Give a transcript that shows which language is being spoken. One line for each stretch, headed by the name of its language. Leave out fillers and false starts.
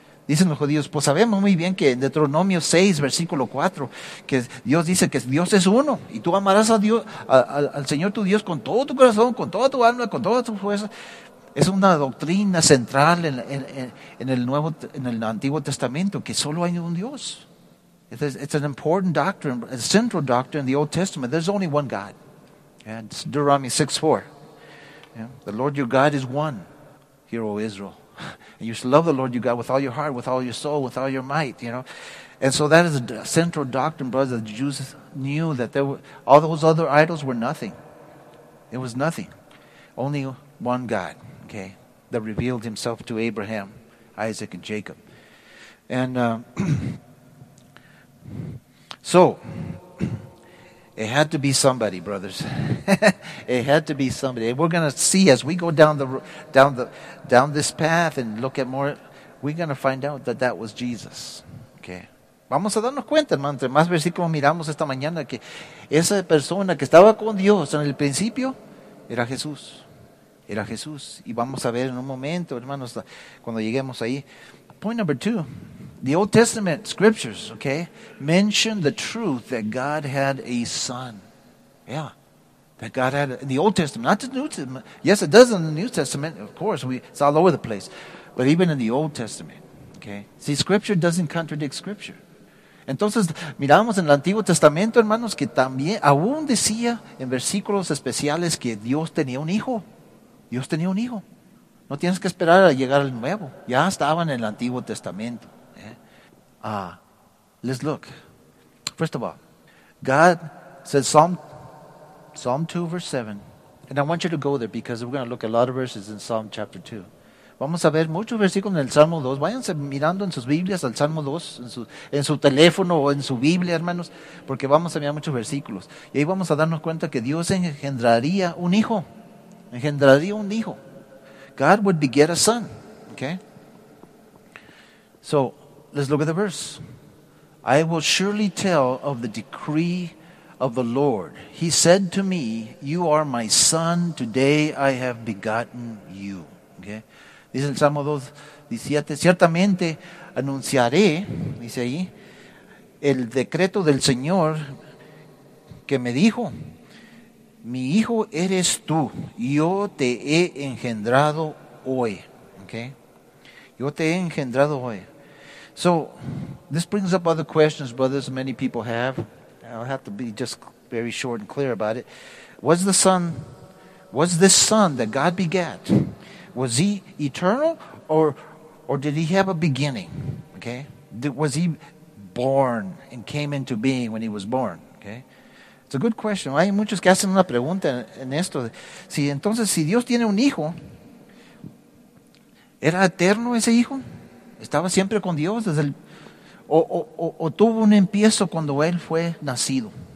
Spanish: Dicen los judíos, pues sabemos muy bien que en Deuteronomio 6, versículo 4, que Dios dice que Dios es uno, y tú amarás a Dios, al Señor tu Dios con todo tu corazón, con toda tu alma, con toda tu fuerza. Es una doctrina central en el Antiguo Testamento, que solo hay un Dios.
English: It's an important doctrine, a central doctrine in the Old Testament. There's only one God. Yeah, it's Deuteronomy 6:4. Yeah. The Lord your God is one, hear, O Israel. And you should love the Lord your God with all your heart, with all your soul, with all your might, you know. And so that is a central doctrine, brothers. The Jews knew that there were all those other idols were nothing. It was nothing. Only one God, okay, that revealed himself to Abraham, Isaac, and Jacob. And so it had to be somebody, brothers. It had to be somebody. We're going to see as we go down this path and look at more, we're going to find out that was Jesus. Okay.
Spanish: Vamos a darnos cuenta, hermano, entre más versículos miramos esta mañana, que esa persona que estaba con Dios en el principio era Jesús. Era Jesús. Y vamos a ver en un momento, hermanos, cuando lleguemos ahí.
English: Point number two. The Old Testament scriptures, okay, mention the truth that God had a son. Yeah. That God had in the Old Testament, not the New Testament. Yes, it does in the New Testament, of course. It's all over the place. But even in the Old Testament, okay. See, scripture doesn't contradict scripture.
Spanish: Entonces, miramos en el Antiguo Testamento, hermanos, que también, aún decía en versículos especiales que Dios tenía un hijo. Dios tenía un hijo. No tienes que esperar a llegar al nuevo. Ya estaba en el Antiguo Testamento. Let's look. First of all, God said Psalm 2, verse 7. And I want you to go there because we're going to look at a lot of verses in Psalm chapter 2. Vamos a ver muchos versículos en el Salmo 2. Váyanse mirando en sus Biblias al Salmo 2, en su teléfono o en su Biblia, hermanos, porque vamos a mirar muchos versículos. Y ahí vamos a darnos cuenta que Dios engendraría un hijo. Engendraría un hijo.
English: God would beget a son. Okay. So, let's look at the verse. I will surely tell of the decree of the Lord. He said to me, you are my son, today I have begotten you. Okay.
Spanish: Dice el Salmo 2, 17, ciertamente anunciaré, dice ahí, el decreto del Señor que me dijo, mi hijo eres tú, yo te he engendrado hoy. Okay. Yo te he engendrado hoy.
English: So, this brings up other questions, brothers, many people have. I'll have to be just very short and clear about it. Was this son that God begat, was he eternal or did he have a beginning? Okay? Was he born and came into being when he was born? Okay? It's a good question.
Spanish: Hay muchos que hacen una pregunta en esto. Si entonces, si Dios tiene un hijo, ¿era eterno ese hijo? ¿Estaba siempre con Dios desde el o tuvo un empiezo cuando él fue nacido?